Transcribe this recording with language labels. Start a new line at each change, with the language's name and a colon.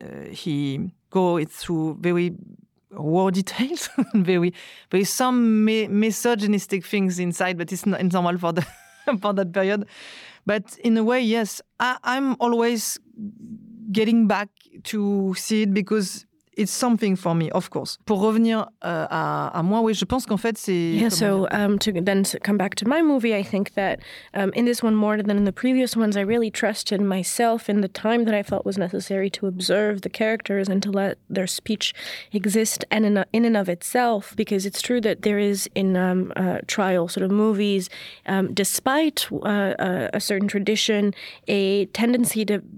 English: He goes through very raw details, very very some misogynistic things inside, but it's not normal for the for that period. But in a way, yes, I'm always getting back to see it because it's something for me, of course.
French: Pour revenir à moi, oui, je pense qu'en fait, c'est...
English: Yeah, so to come back to my movie, I think that in this one more than in the previous ones, I really trusted myself in the time that I felt was necessary to observe the characters and to let their speech exist and in and of itself, because it's true that there is in trial sort of movies, despite a certain tradition, a tendency to...